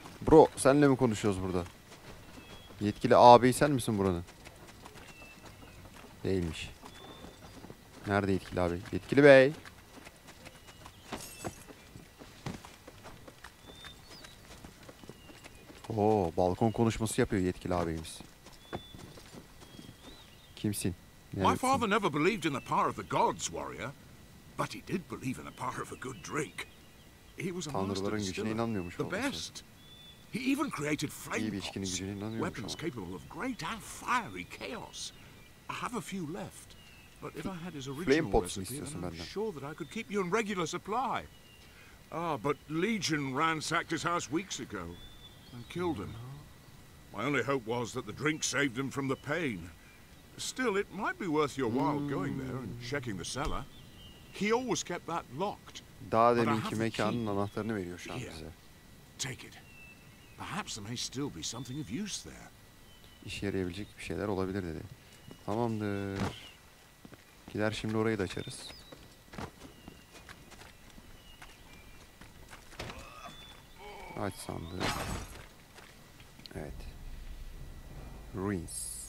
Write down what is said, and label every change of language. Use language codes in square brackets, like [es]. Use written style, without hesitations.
[tr] Bro, senle mi konuşuyoruz burada? Yetkili abi sen misin buranın? Değilmiş. Nerede yetkili abi? Yetkili bey. Oo, balkon konuşması yapıyor yetkili abimiz. Kimsin? Neredesin? [en] My father never believed in the power of the gods, warrior, but he did believe in the power of a good drink. He was a master distiller. The best. He even created flames. Weapons capable of great and fiery chaos. I have a few left, but if I had his original recipe, then I'm sure that I could keep you in regular supply. Ah, but Legion ransacked his house weeks ago. And killed him. My only hope was that the drink saved him from the pain. Still, it might be worth your while going there and checking the cellar. He always kept that locked. [tr] Daha deminki mekanın anahtarını veriyor şu an bize. [en] Take it. Perhaps there may still be something of use there. [tr] İşe yarayabilecek bir şeyler olabilir dedi. Tamamdır. Gider şimdi orayı da açarız. Aç sandığı. Evet. Ruins.